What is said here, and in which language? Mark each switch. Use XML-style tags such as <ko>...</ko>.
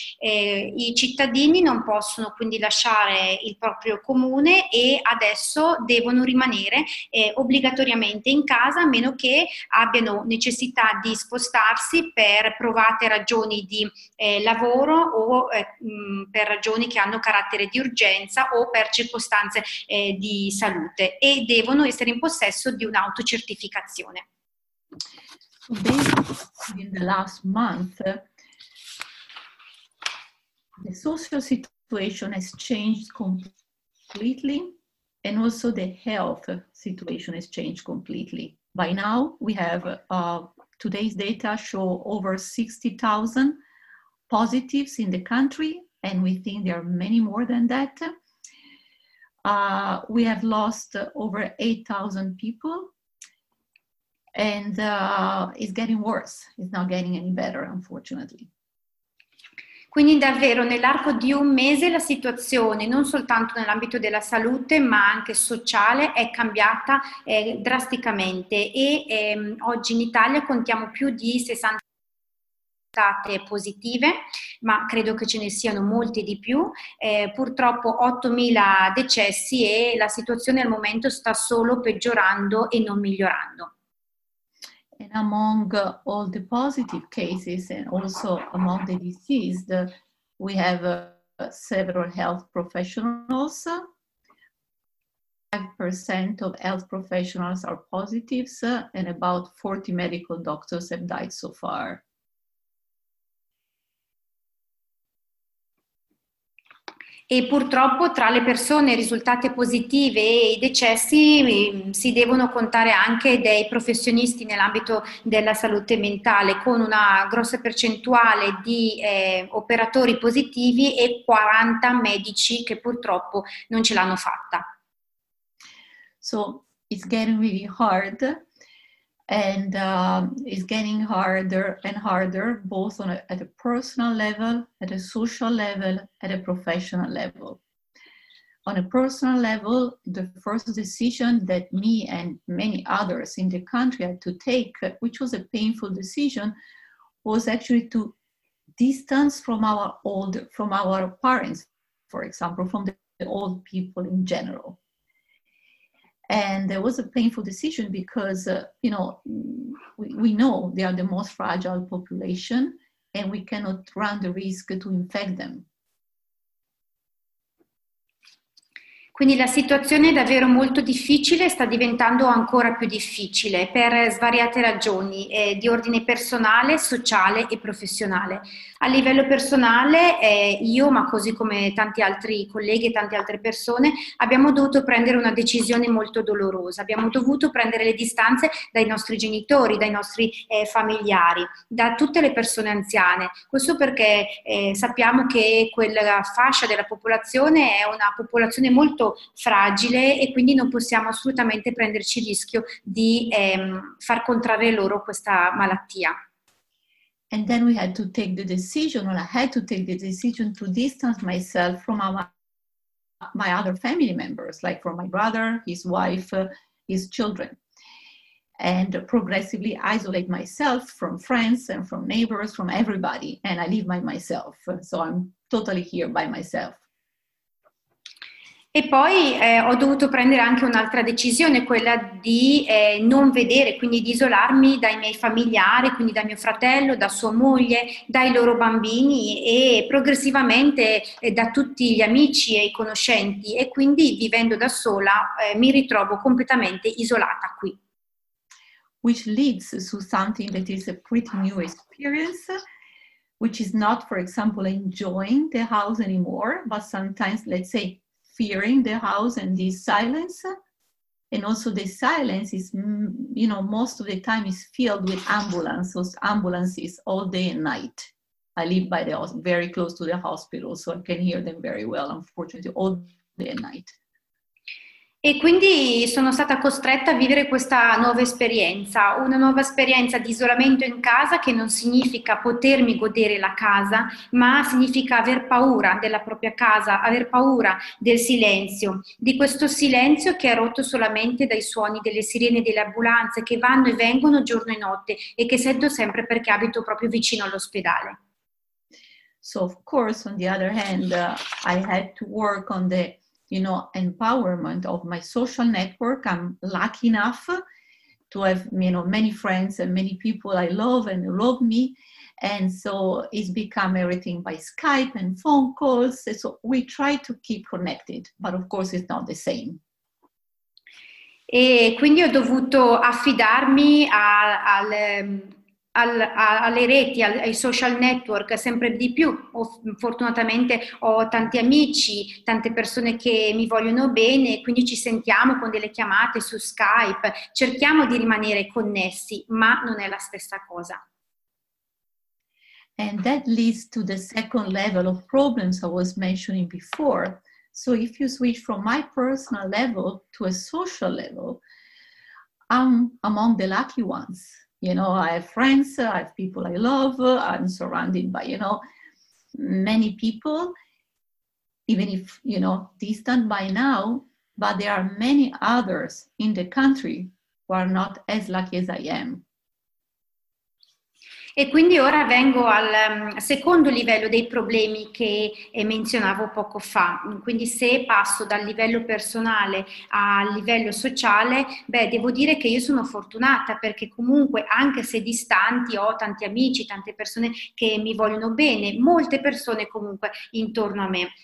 <it>I cittadini non possono quindi lasciare il proprio comune e adesso devono rimanere obbligatoriamente in casa, a meno che abbiano necessità di spostarsi per provate ragioni di lavoro o per ragioni che hanno carattere di urgenza o per circostanze di salute, e devono essere in possesso di un'autocertificazione.</it> <en>In the last month, the social situation has changed completely, and also the health situation has changed completely. By now, we have today's data show over 60,000 positives in the country, and we think there are many more than that. We have lost over 8,000 people, and it's getting worse. It's not getting any better, unfortunately.</en> <it>Quindi davvero nell'arco di un mese la situazione, non soltanto nell'ambito della salute ma anche sociale, è cambiata drasticamente, e oggi in Italia contiamo più di 60 state positive, ma credo che ce ne siano molti di più. Purtroppo 8.000 decessi, e la situazione al momento sta solo peggiorando e non migliorando.</it> <en>And among all the positive cases and also among the deceased, we have several health professionals. 5% of health professionals are positives, and about 40 medical doctors have died so far.</en> <it>E purtroppo tra le persone risultate positive e i decessi si devono contare anche dei professionisti nell'ambito della salute mentale, con una grossa percentuale di operatori positivi e 40 medici che purtroppo non ce l'hanno fatta.</it> <en>So it's getting really hard, and it's getting harder and harder, both on at a personal level, at a social level, at a professional level. On a personal level, the first decision that me and many others in the country had to take, which was a painful decision, was actually to distance from our old, from our parents, for example, from the old people in general. And it was a painful decision because, you know, we know they are the most fragile population, and we cannot run the risk to infect them.</en> <it>Quindi la situazione è davvero molto difficile, sta diventando ancora più difficile per svariate ragioni di ordine personale, sociale e professionale. A livello personale io, ma così come tanti altri colleghi e tante altre persone, abbiamo dovuto prendere una decisione molto dolorosa. Abbiamo dovuto prendere le distanze dai nostri genitori, dai nostri familiari, da tutte le persone anziane. Questo perché sappiamo che quella fascia della popolazione è una popolazione molto fragile, e quindi non possiamo assolutamente prenderci il rischio di far contrarre loro questa malattia.</it> <en>And then we had to take the decision, or I had to take the decision to distance myself from my other family members, like from my brother, his wife, his children, and progressively isolate myself from friends and from neighbors, from everybody, and I live by myself, so I'm totally here by myself.</en> <it>E poi ho dovuto prendere anche un'altra decisione, quella di non vedere, quindi di isolarmi dai miei familiari, quindi da mio fratello, da sua moglie, dai loro bambini e progressivamente da tutti gli amici e i conoscenti. E quindi vivendo da sola mi ritrovo completamente isolata qui.</it> <en>Which leads to something that is a pretty new experience, which is not, for example, enjoying the house anymore, but sometimes, let's say, fearing the house and the silence. And also the silence is, you know, most of the time is filled with ambulances all day and night. I live by the house, very close to the hospital, so I can hear them very well, unfortunately, all day and night.</en> <it>E quindi sono stata costretta a vivere questa nuova esperienza, una nuova esperienza di isolamento in casa che non significa potermi godere la casa, ma significa aver paura della propria casa, aver paura del silenzio, di questo silenzio che è rotto solamente dai suoni delle sirene delle ambulanze che vanno e vengono giorno e notte e che sento sempre perché abito proprio vicino all'ospedale.</it> <en>So of course, on the other hand, I had to work on the empowerment of my social network. I'm lucky enough to have, you know, many friends and many people I love and love me. And so it's become everything by Skype and phone calls. So we try to keep connected, but of course it's not the same.</en> <it>E quindi ho dovuto affidarmi alle reti, ai social network, sempre di più. Fortunatamente ho tanti amici, tante persone che mi vogliono bene, quindi ci sentiamo con delle chiamate su Skype, cerchiamo di rimanere connessi, ma non è la stessa cosa.</it> <en>And that leads to the second level of problems I was mentioning before. So if you switch from my personal level to a social level, I'm among the lucky ones. You know, I have friends, I have people I love, I'm surrounded by, you know, many people, even if, you know, distant by now, but there are many others in the country who are not as lucky as I am.</en> <it>E quindi ora vengo al secondo livello dei problemi che menzionavo poco fa. Quindi se passo dal livello personale al livello sociale, beh, devo dire che io sono fortunata perché comunque anche se distanti ho tanti amici, tante persone che mi vogliono bene, molte persone comunque intorno a me.</it>